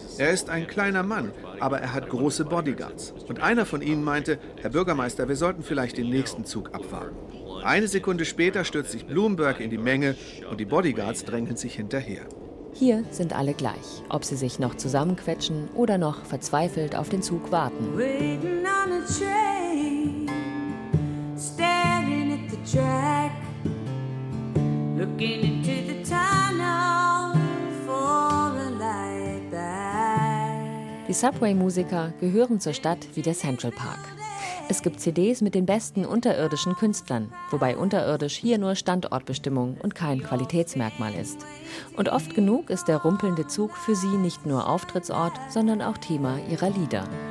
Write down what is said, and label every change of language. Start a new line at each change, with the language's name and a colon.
German: Er ist ein kleiner Mann, aber er hat große Bodyguards. Und einer von ihnen meinte, Herr Bürgermeister, wir sollten vielleicht den nächsten Zug abfahren. Eine Sekunde später stürzt sich Bloomberg in die Menge und die Bodyguards drängen sich hinterher. Hier sind alle gleich, ob sie sich noch zusammenquetschen oder noch verzweifelt auf den Zug warten.
English: Waiting on a train, staring at the track, looking into the tunnel for a light back.
German: Die Subway-Musiker gehören zur Stadt wie der Central Park. Es gibt CDs mit den besten unterirdischen Künstlern, wobei unterirdisch hier nur Standortbestimmung und kein Qualitätsmerkmal ist. Und oft genug ist der rumpelnde Zug für sie nicht nur Auftrittsort, sondern auch Thema ihrer Lieder.